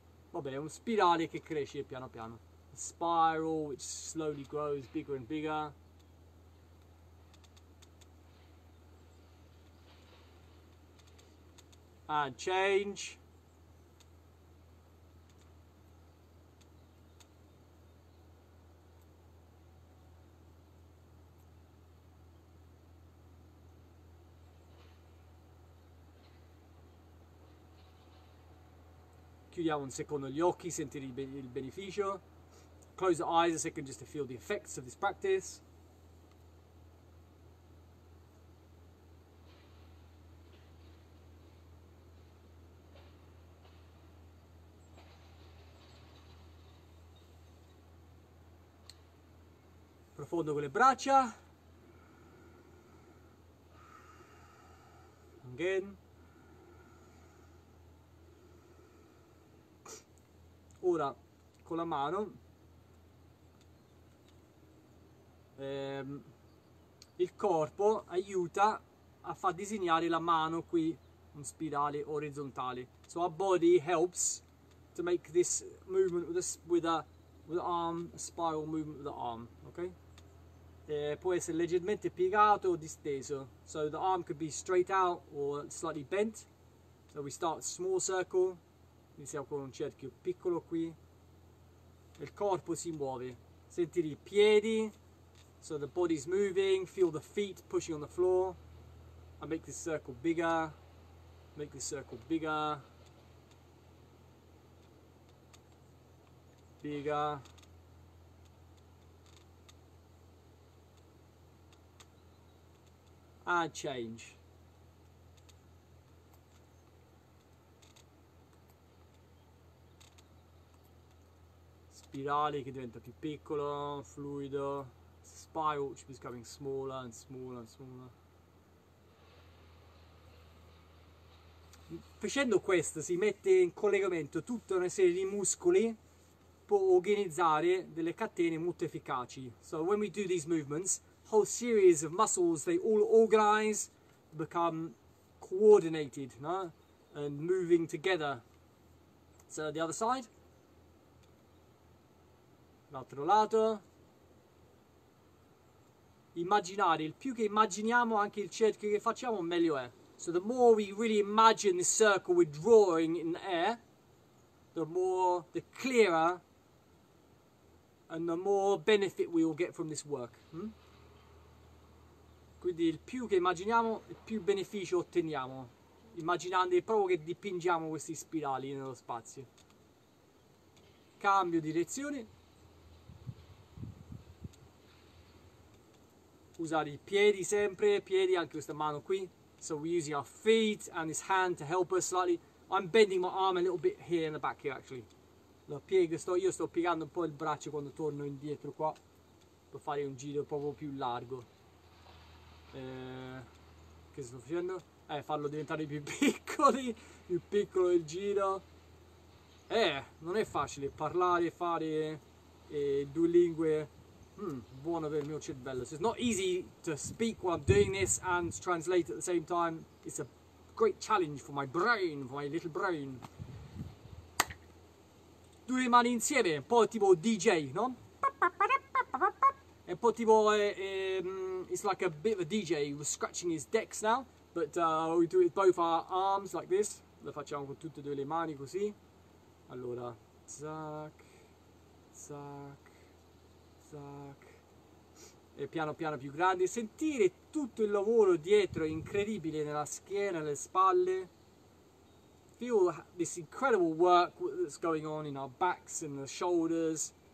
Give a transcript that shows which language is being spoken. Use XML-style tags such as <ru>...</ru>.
<it>Vabbè, è un spirale che cresce piano piano.</it> <en>A spiral which slowly grows bigger and bigger. And change.</en> <it>Chiudiamo un secondo gli occhi, sentire il beneficio.</it> <en>Close the eyes a second just to feel the effects of this practice.</en> <it>Profondo con le braccia.</it> <en>Again.</en> <it>Ora con la mano il corpo aiuta a far disegnare la mano qui in spirale orizzontale.</it> <en>So our body helps to make this movement with the arm, a spiral movement with the arm, okay?</en> <it>Può essere leggermente piegato o disteso.</it> <en>So the arm could be straight out or slightly bent. So we start a small circle.</en> <it>Iniziamo con un cerchio piccolo qui. E il corpo si muove. Sentire i piedi.</it> <en>So the body's moving. Feel the feet pushing on the floor. I make this circle bigger. Make this circle bigger. Bigger. And change.</en> <it>Spirale che diventa più piccolo, fluido.</it> <en>Spiral which is becoming smaller and smaller and smaller.</en> <it>Facendo questo si mette in collegamento tutta una serie di muscoli per organizzare delle catene molto efficaci.</it> <en>So when we do these movements, whole series of muscles, they all organize, become coordinated, no? And moving together. So the other side,</en> <it>l'altro lato. Immaginare, il più che immaginiamo anche il cerchio che facciamo, meglio è.</it> <en>So the more we really imagine this circle we're drawing in air, the clearer and the more benefit we will get from this work.</en> <it>Quindi il più che immaginiamo, il più beneficio otteniamo, immaginando proprio che dipingiamo questi spirali nello spazio. Cambio direzione. Usare i piedi sempre, piedi anche questa mano qui.</it> <en>So we're using our feet and this hand to help us slightly. I'm bending my arm a little bit here in the back here actually.</en> <it>Io sto piegando un po' il braccio quando torno indietro qua, per fare un giro proprio più largo. Che sto facendo? Farlo diventare più piccoli, più piccolo il giro. Non è facile parlare, fare due lingue. Buono per il mio cervello.</it> <en>So it's not easy to speak while I'm doing this and translate at the same time. It's a great challenge for my brain, for my little brain.</en> <it>Due mani insieme, un po' tipo DJ, no? È un po' tipo,</it> <en>it's like a bit of a DJ, he was scratching his decks now, but we do it with both our arms like this.</en> <it>Lo facciamo con tutte e due le mani così. Allora, zac, zac, zac. E piano piano più grande. Sentire tutto il lavoro dietro, incredibile, nella schiena, nelle spalle.</it> <en>Feel this incredible work that's going on in our backs and the shoulders.</en>